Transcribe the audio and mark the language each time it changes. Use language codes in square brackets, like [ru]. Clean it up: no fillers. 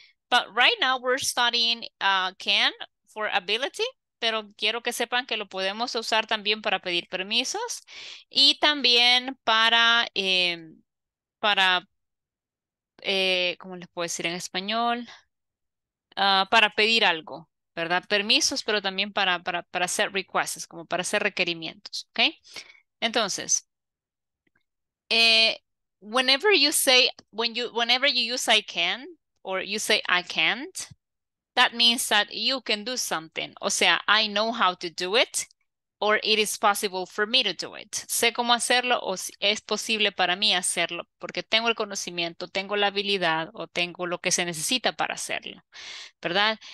[en] But right now we're studying can for ability, [es] pero quiero que sepan que lo podemos usar también para pedir permisos y también ¿cómo les puedo decir en español? Para pedir algo, ¿verdad? Permisos, pero también para hacer requests, como para hacer requerimientos, ¿ok? [en] Entonces, whenever you use I can or you say I can't, that means that you can do something. O sea, I know how to do it, or it is possible for me to do it. [es] Sé cómo hacerlo o es posible para mí hacerlo porque tengo el conocimiento, tengo la habilidad o tengo lo que se necesita para hacerlo, ¿verdad?